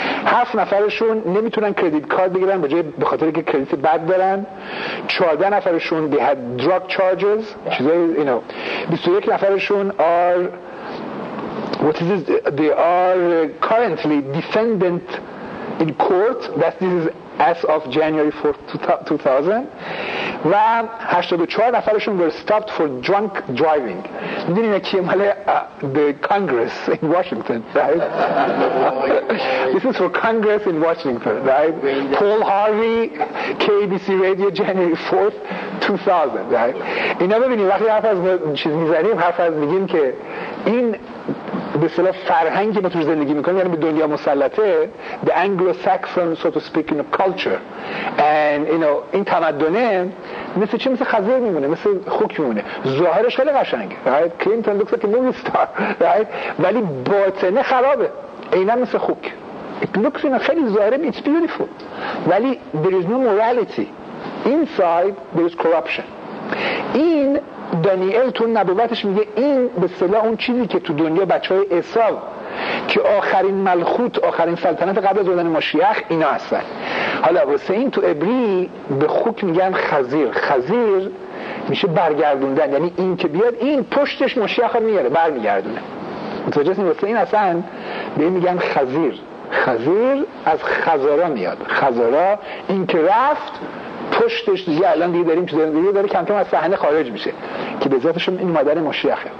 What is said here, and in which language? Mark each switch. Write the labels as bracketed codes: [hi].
[fa] 7 نفرشون نمیتونن کردیت کارت بگیرن به جای به خاطر اینکه کردیت بد دارن، 14 نفرشون [en] they had drug charges [fa] چیزای اینو، 21 نفرشون آر [en] what is this, they are currently defendant in court, that this is as of January 4th 2000, [fa] و 84 نفرشون [en] were stopped for drunk driving. [fa] میدونی اینه که مال [en] the Congress in Washington, right? This is for Congress in Washington, right? Paul Harvey, KBC Radio, January 4th 2000, right? [fa] اینا ببینی وقتی حرف از چیز میزنیم، حرف از میگیم که این به اصطلاح فرهنگی ما توش زندگی میکنیم، یعنی به دنیا مسلطه، [en] the Anglo-Saxon so to speak in a culture and you know، [fa] این تمدنه مثل چی؟ مثل خزیر میمونه، مثل خوک میمونه، ظاهرش خیلی قشنگه، right? [en] Clinton looks like a movie star, right? [fa] ولی باطنه خرابه، اینا مثل خوک، [en] it looks in a [fa] خیلی ظاهره [en] it's beautiful ولی there is no morality inside, there is corruption. [fa] این دانیل تو نبوتش میگه این به اصطلاح اون چیزی که تو دنیا بچهای عصاب که آخرین ملخوت، آخرین سلطنت قبل از اردن ماشیخ اینا هستن. حالا واسه این تو عبری به خوک میگن خزیر، خزیر میشه برگردوندن، یعنی این که بیاد این پشتش ماشیخ رو میاره برمیگردونه، متوجه این واسه این اصلا به این میگن خزیر، خزیر از خزارا میاد، خزارا این که رفت پشتش دیگه الان دیگه داریم چیزا دیگه داره کم کم از صحنه خارج میشه که به ذاتشون این مادر مشیخه.